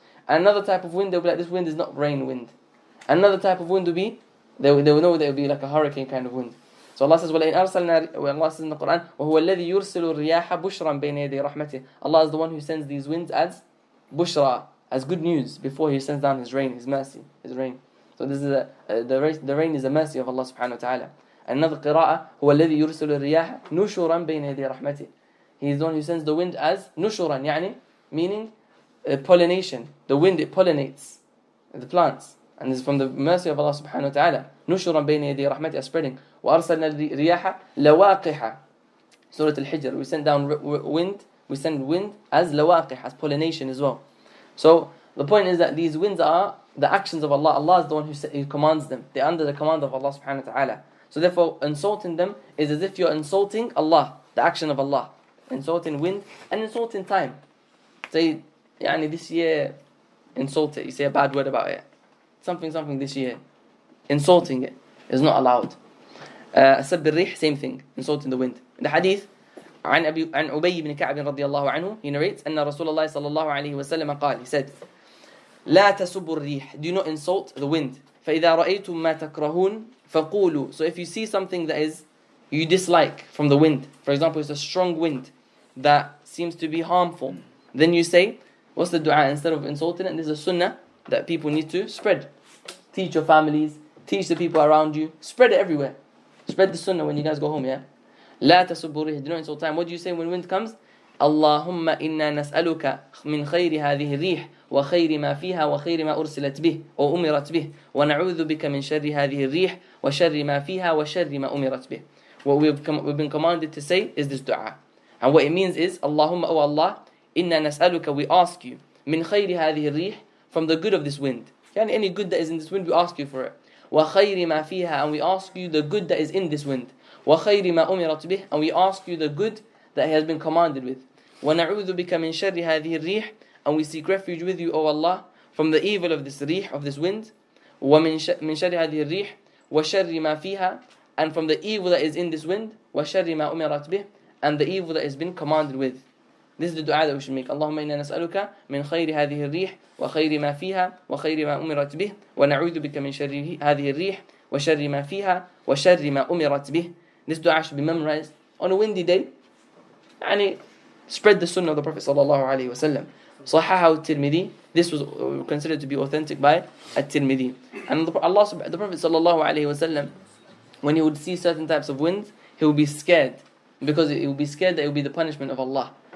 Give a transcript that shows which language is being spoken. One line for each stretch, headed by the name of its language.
English: And another type of wind, they'll be like, this wind is not rain wind. Another type of wind will be, they will know that it will be like a hurricane kind of wind. So Allah says,
Arabic: وَلَئِنْ أَرْسَلْنَا
English: Allah says in the Quran,
Arabic: وَهُوَ الَّذِي يُرْسِلُ الرِّيَاحَ بُشْرًا بَيْنَ يَدِي رَحْمَتِهِ
English: Allah is the one who sends these winds as bushra, as good news, before He sends down His rain, His mercy, His rain. So this is the rain is a mercy of Allah subhanahu wa ta'ala. Another qira'ah,
Arabic: هو الذي يرسل الرياح نشورا بين يدي رحمته.
English: He is the one who sends the wind as نشورا, يعني meaning pollination. The wind, it pollinates the plants. And this is from the mercy of Allah subhanahu wa ta'ala.
Arabic: نشورا بين يدي رحمته, spreading. وأرسلنا الرياح لواقحة.
English: سورة الحجر, we send down wind, we send wind as لواقح, as pollination as well. So the point is that these winds are the actions of Allah. Allah is the one who commands them. They are under the command of Allah subhanahu wa ta'ala. So therefore, insulting them is as if you're insulting Allah, the action of Allah. Insulting wind and insulting time. Say, yani this year, insult it. You say a bad word about it. Something this year. Insulting it is not allowed. Asab al-rih, same thing. Insulting the wind. In the hadith,
Arabic: عن عبي بن كعب رضي الله عنه,
English: he narrates,
Arabic: أن رسول الله صلى الله عليه وسلم قال,
English: he said,
Arabic: لا تسب الريح,
English: do not insult the wind.
Arabic: فإذا رأيتم ما تكرهون فقولوا.
English: So if you see something that is you dislike from the wind, for example, it's a strong wind that seems to be harmful, then you say, what's the dua instead of insulting it? And this is a sunnah that people need to spread. Teach your families, teach the people around you, spread it everywhere. Spread the sunnah when you guys go home, yeah?
Arabic: لا تسب الريح,
English: do not insult time. What do you say when wind comes?
Arabic: اللهم إنا نسألك من خير هذه الريح وخير ما فيها وخير ما أرسلت به وأمرت به ونعوذ بك من شر هذه الريح وشر ما فيها وشر ما أمرت به.
English: What we've been commanded to say is this dua. And what it means is,
Arabic: اللهم أو الله إنا نسألك,
English: we ask you
Arabic: من خير هذه الريح,
English: from the good of this wind. يعني any good that is in this wind, we ask you for it.
Arabic: وخير ما فيها,
English: and we ask you the good that is in this wind.
Arabic: وخير ما أمرت به,
English: and we ask you the good that he has been commanded with.
Arabic: وَنَعُوذُ بِكَ مِنْ شَرِّ هَذِهِ الرِّيحِ,
English: and we seek refuge with you, O Allah, from the evil of this rih, of this wind.
Arabic: وَمِنْ شَرِّ هَذِهِ الرِّيحِ وَشَرِّ مَا فِيهَا,
English: and from the evil that is in this wind.
Arabic: وَشَرِّ مَا أُمِرَتْ بِهِ,
English: and the evil that has been commanded with. This is the dua that we should make.
Arabic: اللهم إنا نسألك من خير هذه الريح وخير ما فيها وخير ما أمرت به ونعوذ بك من شر هذه الريح وشر ما فيها وشر ما أمرت به.
English: This dua should be memorized on a windy day. يعني spread the sunnah of the Prophet صلى الله عليه وسلم.
Arabic: صححه الترمذي.
English: This was considered to be authentic by الترمذي. And Allah, the Prophet صلى الله عليه وسلم, when he would see certain types of winds, he would be scared, because he would be scared that it would be the punishment of Allah.